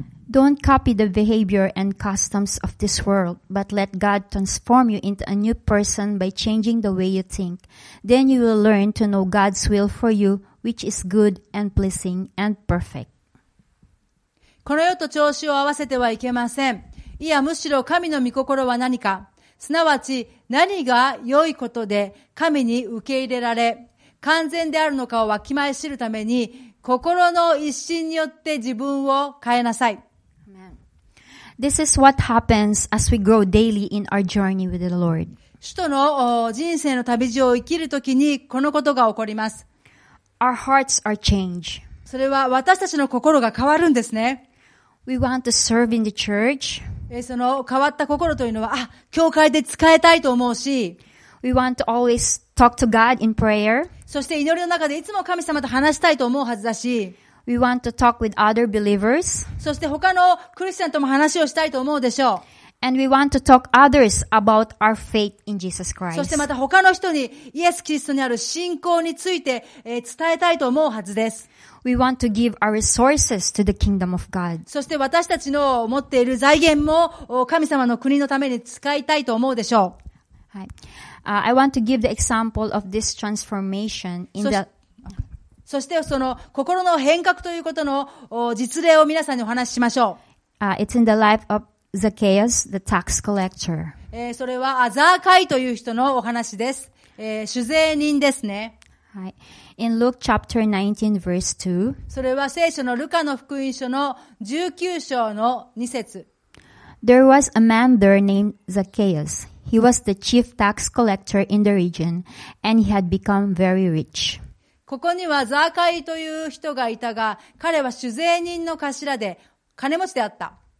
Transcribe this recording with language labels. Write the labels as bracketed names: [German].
[English] Don't copy the behavior and customs of this world, but let God transform you into a new person by changing the way you think. Then you will learn to know God's will for you. Which is good and pleasing and perfect. [Japanese] この世と調子を合わせてはいけません。いやむしろ神の御心は何か、すなわち何が良いことで神に受け入れられ、完全であるのかをわきまえ知るために、心の一心によって自分を変えなさい。 [English] Amen. This is what happens as we grow daily in our journey with the Lord. [Japanese] 主との人生の旅路を生きるときにこのことが起こります。 [English] Our hearts are changed. [Japanese] それは私たちの心が変わるんですね。 [English] We want to serve in the church. [Japanese] その変わった心というのは、あ、教会で使えたいと思うし。 [English] We want to always talk to God in prayer. [Japanese] そして祈りの中でいつも神様と話したいと思うはずだし。 [English] We want to talk with other believers. [Japanese] そして他のクリスチャンとも話をしたいと思うでしょう。 [English] And we want to talk others about our faith in Jesus Christ. [Japanese] そしてまた他の人にイエス・キリストにある信仰について、伝えたいと思うはずです。 [English] We want to give our resources to the kingdom of God. [Japanese] そして私たちの持っている財源も神様の国のために使いたいと思うでしょう。はい。 [English] I want to give the example of this transformation in the [Japanese] そしてその心の変革ということの実例を皆さんにお話ししましょう。 [English] It's in the life of Zacchaeus, the tax collector. [Japanese] それはザーカイという人のお話です。主税人ですね。 [English] はい。In Luke chapter 19 verse 2. [Japanese] それは聖書のルカの福音書の19章の2節。 [English] There was a man there named Zacchaeus. He was the chief tax collector in the region, and he had become very rich. [Japanese] ここにはザーカイという人がいたが、彼は主税人の頭で金持ちであった。